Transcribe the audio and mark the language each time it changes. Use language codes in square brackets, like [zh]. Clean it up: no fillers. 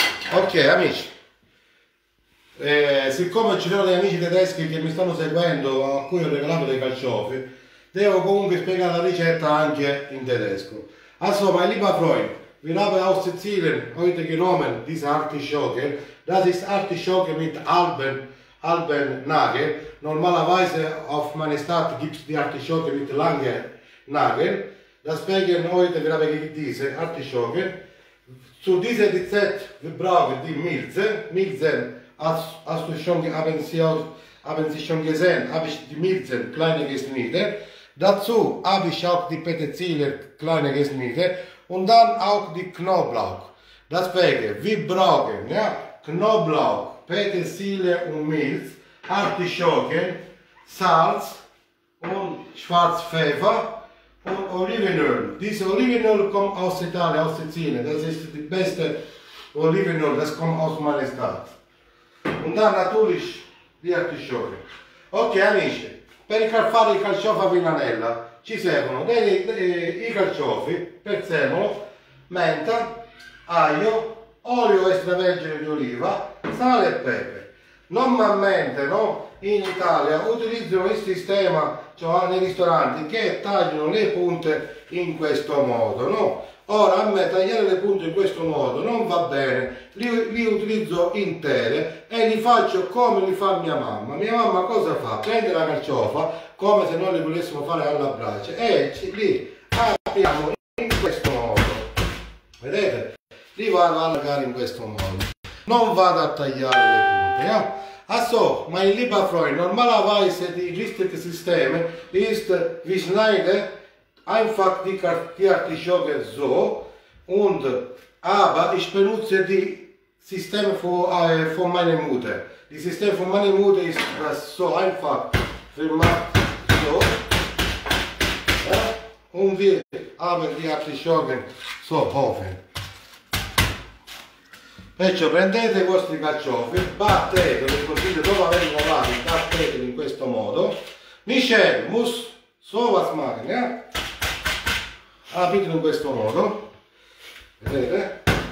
[it] Ok amici, siccome ci sono dei amici tedeschi che mi stanno seguendo, a cui ho regalato dei carciofi, devo comunque spiegare la ricetta anche in tedesco. Insomma, [de] lieber Freund, wir haben aus Sizilien heute genommen diese Artischocke. Das ist Artischocke mit Alpennagel. Normalerweise auf meiner Stadt gibt es die Artischocke mit langen Nagel. Das spiegeln heute wir haben diese Artischocke. Zu dieser Rezept wir brauchen die Milze. Milze, haben Sie schon gesehen, habe ich die Milze kleine geschnitten. Dazu habe ich auch die Petersilie kleine geschnitten und dann auch die Knoblauch. Deswegen, wir brauchen ja, Knoblauch, Petersilie und Milz, Artischocke, Salz und Schwarzpfeffer und Olivenöl. Diese Olivenöl kommt aus Italien, aus Sizilien. Das ist die beste Olivenöl, das kommt aus meiner Stadt. Und dann natürlich die Artischocke. [it] Okay, amici. Per fare il carciofo a villanella ci servono i carciofi, prezzemolo, menta, aglio, olio extravergine di oliva, sale e pepe. Normalmente, no, in Italia utilizzano il sistema, cioè nei ristoranti, che tagliano le punte in questo modo, no? Ora a me tagliare le punte in questo modo non va bene, li utilizzo intere e li faccio come li fa mia mamma. Mia mamma cosa fa? Prende la carciofa come se noi li volessimo fare alla brace e li apriamo in questo modo. Vedete? Li vado ad allargare in questo modo. Non vado a tagliare le punte. Eh? [de] Also, mein lieber Freund, normalerweise die richtige System ist, wie schneide einfach die Artischocke so und aber ich benutze die System von meiner Mutter. Die System von meiner Mutter ist das so einfach gemacht so ja? Und wir haben die Artischocke so offen. [it] Perciò prendete i vostri carciofi, batteteli così dopo averli lavati, batteteli in questo modo. Michel, [de] muss so was machen, ja? [it] Apritelo in questo modo, vedete?